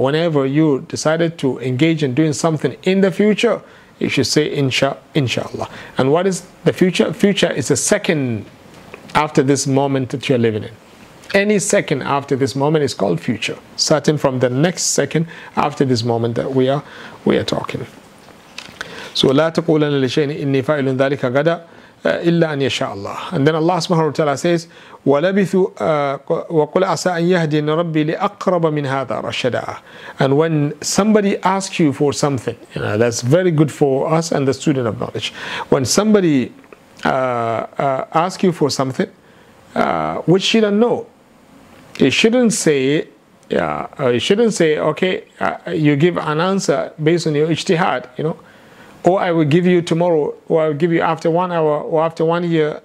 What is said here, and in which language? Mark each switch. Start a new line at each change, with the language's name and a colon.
English: Whenever you decided to engage in doing something in the future, you should say inshallah. And what is the future? Future is a second after this moment that you're living in. Any second after this moment is called future. Starting from the next second after this moment that we are talking.
Arabic: So لا تقولن لشين إني فاعل ذلك غدا إلا أن يشاء الله.
English: And then Allah subhanahu wa ta'ala says
Arabic: ولبثوا وقل عسى أن يهدين ربي لأقرب من هذا رشدا.
English: And when somebody asks you for something, you know, that's very good for us and the student of knowledge. When somebody asks you for something which you don't know, you shouldn't say okay, you give an answer based on your ijtihad, you know, or I will give you tomorrow, or I will give you after 1 hour, or after 1 year.